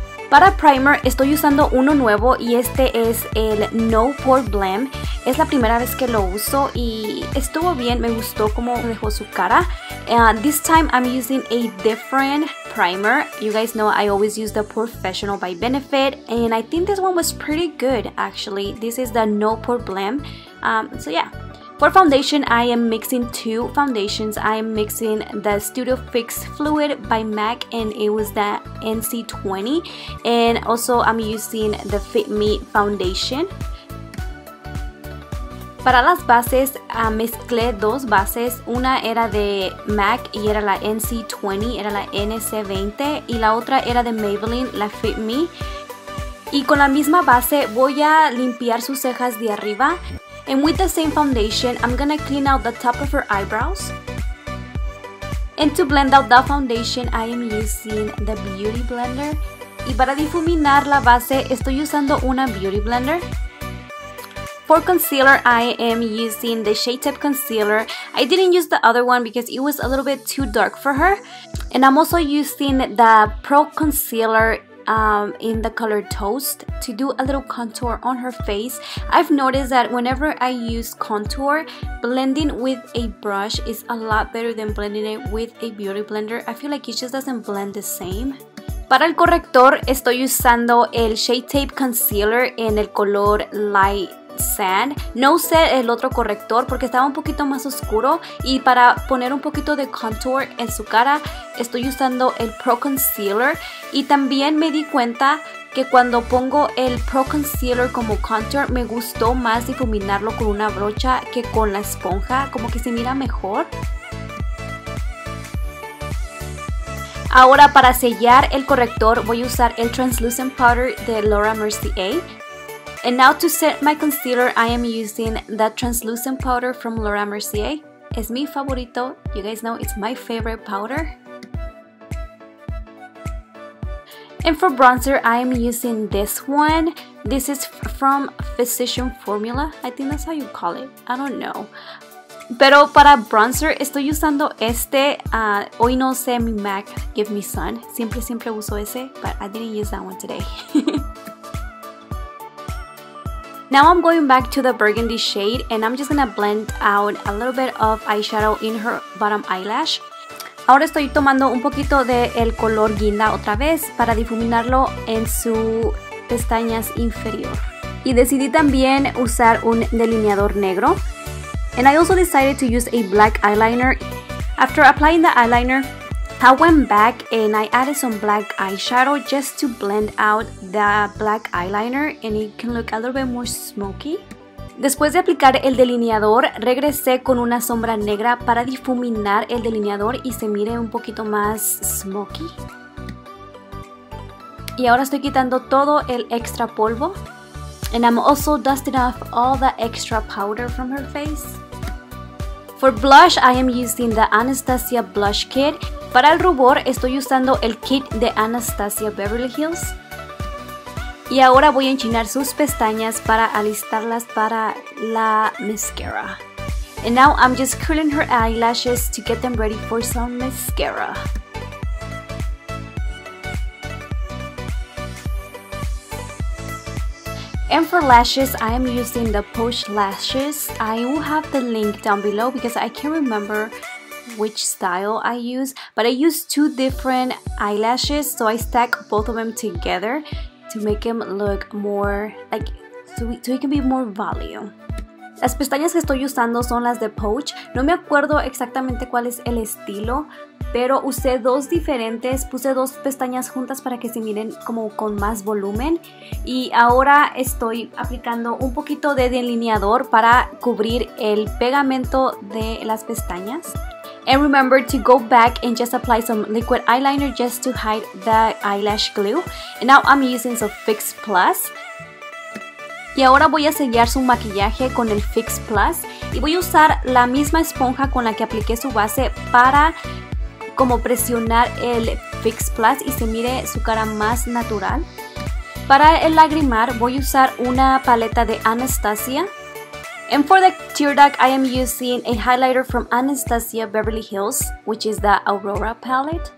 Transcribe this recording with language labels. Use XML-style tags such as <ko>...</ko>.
<es>Para primer estoy usando uno nuevo y este es el No Pore Blend. Es la primera vez que lo uso y estuvo bien, me gustó cómo dejó su cara.</es> <en>This time I'm using a different primer. You guys know I always use the Professional by Benefit and I think this one was pretty good actually. This is the No Pore Blend. So yeah. For foundation, I am mixing two foundations. I am mixing the Studio Fix Fluid by MAC and it was the NC20. And also I'm using the Fit Me Foundation.</en> <es>Para las bases, mezclé dos bases. Una era de MAC y era la NC20, era la NC20. Y la otra era de Maybelline, la Fit Me. Y con la misma base voy a limpiar sus cejas de arriba.</es> <en>And with the same foundation, I'm gonna clean out the top of her eyebrows. And to blend out the foundation, I am using the Beauty Blender.</en> <es>Y para difuminar la base, estoy usando una Beauty Blender.</es> <en>For concealer, I am using the Shade Tape Concealer. I didn't use the other one because it was a little bit too dark for her. And I'm also using the Pro Concealer in the color Toast to do a little contour on her face. I've noticed that whenever I use contour, blending with a brush is a lot better than blending it with a beauty blender. I feel like it just doesn't blend the same.</en> <es>Para el corrector estoy usando el Shade Tape Concealer en el color Light Sand. No usé el otro corrector porque estaba un poquito más oscuro y para poner un poquito de contour en su cara estoy usando el Pro Concealer. Y también me di cuenta que cuando pongo el Pro Concealer como contour me gustó más difuminarlo con una brocha que con la esponja, como que se mira mejor. Ahora para sellar el corrector voy a usar el Translucent Powder de Laura Mercier.</es> <en>And now to set my concealer, I am using that Translucent Powder from Laura Mercier.</en> <es>Es mi favorito.</es> <en>You guys know it's my favorite powder. And for bronzer, I am using this one. This is from Physician Formula. I think that's how you call it. I don't know.</en> <es>Pero para bronzer, estoy usando este. Hoy no sé mi MAC, Give Me Sun. Siempre uso ese,</es> <en>but I didn't use that one today. Now I'm going back to the burgundy shade, and I'm just gonna blend out a little bit of eyeshadow in her bottom eyelash.</en> <es>Ahora estoy tomando un poquito del color guinda otra vez para difuminarlo en su pestañas inferior. Y decidí también usar un delineador negro.</es> <en>And I also decided to use a black eyeliner. After applying the eyeliner, I went back and I added some black eyeshadow just to blend out the black eyeliner and it can look a little bit more smoky.</en> <es>Después de aplicar el delineador, regresé con una sombra negra para difuminar el delineador y se mire un poquito más smoky. Y ahora estoy quitando todo el extra polvo.</es> <en>And I'm also dusting off all the extra powder from her face. For blush, I am using the Anastasia Blush Kit.</en> <es>Para el rubor, estoy usando el kit de Anastasia Beverly Hills. Y ahora voy a enchinar sus pestañas para alistarlas para la mascara.</es> <en>And now I'm just curling her eyelashes to get them ready for some mascara. And for lashes, I am using the POSH lashes. I will have the link down below because I can't remember which style I use. But I use two different eyelashes, so I stack both of them together to make them look more, like, so it can be more volume.</en> <es>Las pestañas que estoy usando son las de POSH. No me acuerdo exactamente cuál es el estilo, pero usé dos diferentes, puse dos pestañas juntas para que se miren como con más volumen. Y ahora estoy aplicando un poquito de delineador para cubrir el pegamento de las pestañas.</es> <en>And remember to go back and just apply some liquid eyeliner just to hide the eyelash glue. And now I'm using some Fix Plus.</en> <es>Y ahora voy a sellar su maquillaje con el Fix Plus. Y voy a usar la misma esponja con la que apliqué su base para como presionar el Fix Plus y se mire su cara más natural. Para el lagrimar voy a usar una paleta de Anastasia.</es> <en>And for the tear duct, I am using a highlighter from Anastasia Beverly Hills, which is the Aurora palette.</en>